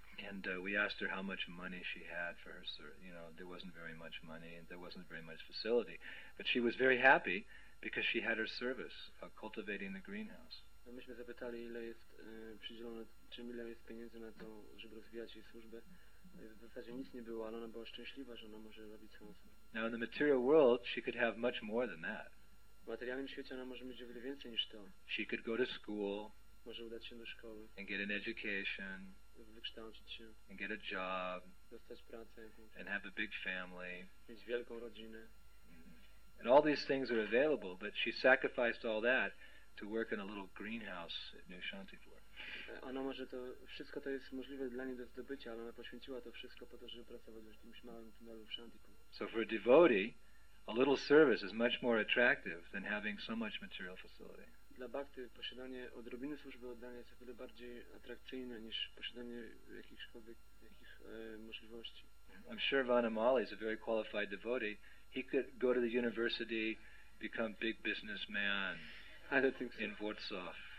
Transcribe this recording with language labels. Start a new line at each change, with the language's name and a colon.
English: And we asked her how much money she had for her service. You know, there wasn't very much money and there wasn't very much facility. But she was very happy because she had her service, cultivating the greenhouse.
Polish: Myśmy zapytali, ile jest przydzielone, czym ile jest pieniędzy na to, żeby rozwijać jej służbę. W zasadzie nic nie było, ale ona była szczęśliwa, że ona może robić swoją służbę.
English: Now in the material world she could have much more than that.
Polish: W materialnym świecie ona może mieć o wiele więcej niż to.
English: She could go to school.
Polish: Może udać się do szkoły.
English: And get an education.
Polish: wykształcić się.
English: And get a job.
Polish: Dostać pracę.
English: And have a big family.
Polish: Mieć wielką rodzinę.
English: And all these things are available, but she sacrificed all that to work in a little greenhouse at New Shantipur.
Polish: Ona może to, wszystko to jest możliwe dla niej do zdobycia, ale ona poświęciła to wszystko po to, żeby pracować w jakimś małym tunelu w Shantipur.
English: So for a devotee, a little service is much more attractive than having so much material facility.
Polish: Dla bhakty posiadanie odrobiny służby oddania jest o wiele bardziej atrakcyjne niż posiadanie jakichś możliwości.
English: I'm sure Vanamali is a very qualified devotee. He could go to the university, become big businessman in Warsaw.